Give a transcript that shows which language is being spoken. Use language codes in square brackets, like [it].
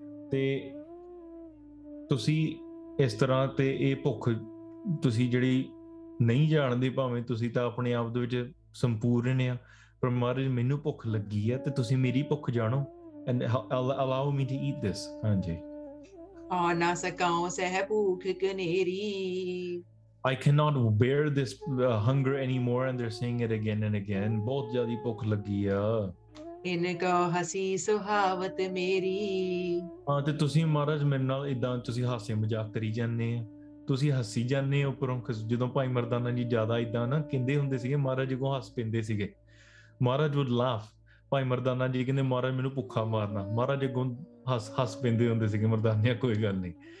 [pa] ਤੇ ਤੁਸੀਂ ਇਸ ਤਰ੍ਹਾਂ ਤੇ ਇਹ ਭੁੱਖ ਤੁਸੀਂ ਜਿਹੜੀ ਨਹੀਂ ਜਾਣਦੇ ਭਾਵੇਂ ਤੁਸੀਂ ਤਾਂ ਆਪਣੇ ਆਪ ਦੇ ਵਿੱਚ ਸੰਪੂਰਨ ਆ ਪਰ ਮਹਾਰਾਜ ਮੈਨੂੰ ਭੁੱਖ ਲੱਗੀ ਆ ਤੇ ਤੁਸੀਂ ਮੇਰੀ ਭੁੱਖ ਜਾਣੋ [en] and allow me to eat this [pa] ਹਾਂਜੀ ਆ ਨਾ ਸਕਾਉ ਸਹਿ ਭੁੱਖ ਕਨੇਰੀ [en] I cannot bear this hunger anymore and they're saying it again and again. [pa] Bahut jyada bhukh lagi hai. ਇਨ ਕਹੋ ਹਸੀ ਸੁਹਾਵਤ ਮੇਰੀ। ਹਾਂ ਤੇ ਤੁਸੀਂ ਮਹਾਰਾਜ ਮੇਰੇ ਨਾਲ ਇੱਦਾਂ ਤੁਸੀਂ ਹਾਸੇ ਮਜ਼ਾਕ ਕਰੀ ਜਾਂਦੇ ਆ, ਤੁਸੀਂ ਹੱਸੀ ਜਾਂਦੇ ਹੋ ਉੱਪਰੋਂ। ਜਦੋਂ ਭਾਈ ਮਰਦਾਨਾ ਜੀ ਜ਼ਿਆਦਾ ਇੱਦਾਂ ਨਾ ਕਹਿੰਦੇ ਹੁੰਦੇ ਸੀਗੇ ਮਹਾਰਾਜ ਕੋਲ ਹੱਸ ਪੈਂਦੇ ਸੀਗੇ, ਮਹਾਰਾਜ [en] would laugh, [pa] ਭਾਈ ਮਰਦਾਨਾ ਜੀ ਕਹਿੰਦੇ ਮਹਾਰਾਜ ਮੈਨੂੰ ਭੁੱਖਾ ਮਾਰਨਾ, ਮਹਾਰਾਜ ਅੱਗੋਂ ਹੱਸ ਹੱਸ ਪੈਂਦੇ ਹੁੰਦੇ ਸੀਗੇ ਮਰਦਾਨਿਆਂ, ਕੋਈ ਗੱਲ ਨਹੀਂ।